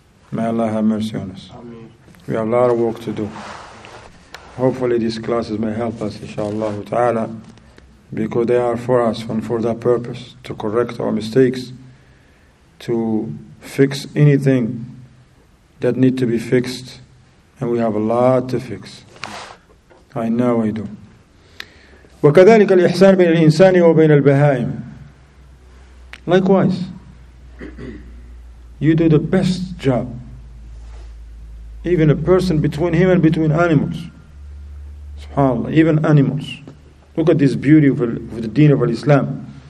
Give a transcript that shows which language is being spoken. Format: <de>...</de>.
<en>May Allah have mercy on us. Amen. We have a lot of work to do. Hopefully these classes may help us, inshaAllah ta'ala, because they are for us and for that purpose, to correct our mistakes, to fix anything that need to be fixed, and we have a lot to fix. I know I do.</en> <ar>وكذلك الإحسان بين الإنسان وبين البهائم.</ar> <en>Likewise, you do the best job, even a person between him and between animals. SubhanAllah, even animals. Look at this beauty of the deen of Islam.</en>